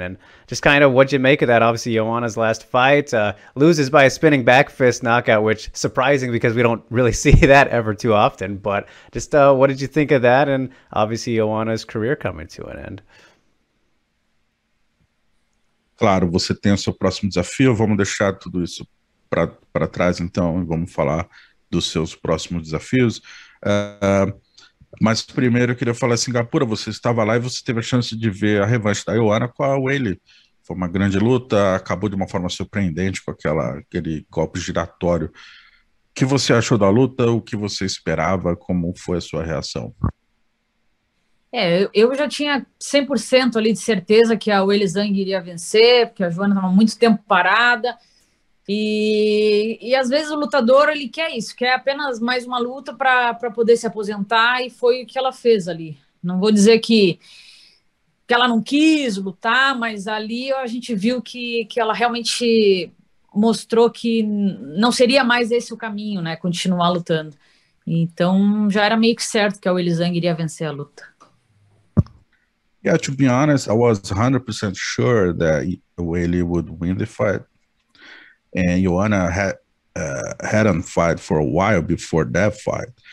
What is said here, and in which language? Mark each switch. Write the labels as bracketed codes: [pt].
[en] And just kind of what'd you make of that? Obviously, Joanna's last fight loses by a spinning back fist knockout, which surprising because we don't really see that ever too often. But just what did you think of that? And obviously, Joanna's career coming to an end. [pt] Claro, você tem o seu próximo desafio. Vamos deixar tudo isso para trás, então, vamos falar dos seus próximos desafios. Mas primeiro eu queria falar, Singapura, você estava lá e você teve a chance de ver a revanche da Joanna com a Weili. Foi uma grande luta, acabou de uma forma surpreendente com aquele golpe giratório. O que você achou da luta? O que você esperava? Como foi a sua reação? Eu já tinha 100% ali de certeza que a Weili Zhang iria vencer, porque a Joanna estava muito tempo parada. E às vezes o lutador, ele quer isso, quer apenas mais uma luta para poder se aposentar, e foi o que ela fez ali. Não vou dizer que ela não quis lutar, mas ali a gente viu que ela realmente mostrou que não seria mais esse o caminho, né, continuar lutando. Então já era meio que certo que a Weili Zhang iria vencer a luta. [en] Yeah, to be honest, I was 100% sure that Weili would win the fight. And Joanna hadn't fought for a while before that fight.